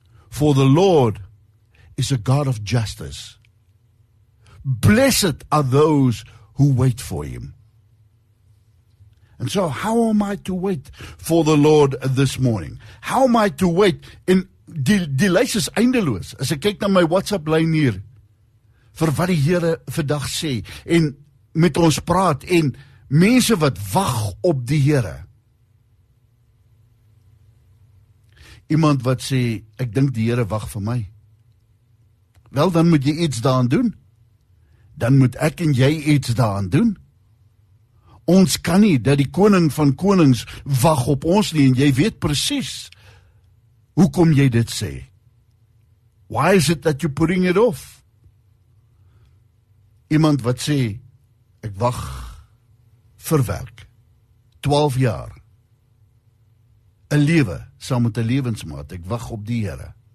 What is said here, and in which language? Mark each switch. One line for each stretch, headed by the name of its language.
English: For the Lord is a God of justice. Blessed are those who wait for Him. And so how am I to wait for the Lord this morning? How am I to wait in delays
Afrikaans: is eindeloos. As ek kyk na my WhatsApp lyn hier, vir wat die Here vandag sê, en met ons praat, en mense wat wag op die Here. Iemand wat sê, ek dink die Here wag vir my. Wel, dan moet jy iets daaraan doen. Dan moet ek en jy iets daaraan doen. Ons kan nie dat die koning van konings wag op ons nie, en jy weet precies, hoekom jy dit sê.
English: Why is it that you're putting it off?
Afrikaans: Iemand wat sê, ek wag vir werk. 12 jaar. 'N lewe. Saam met 'n lewensmaat, ek wag op die Here.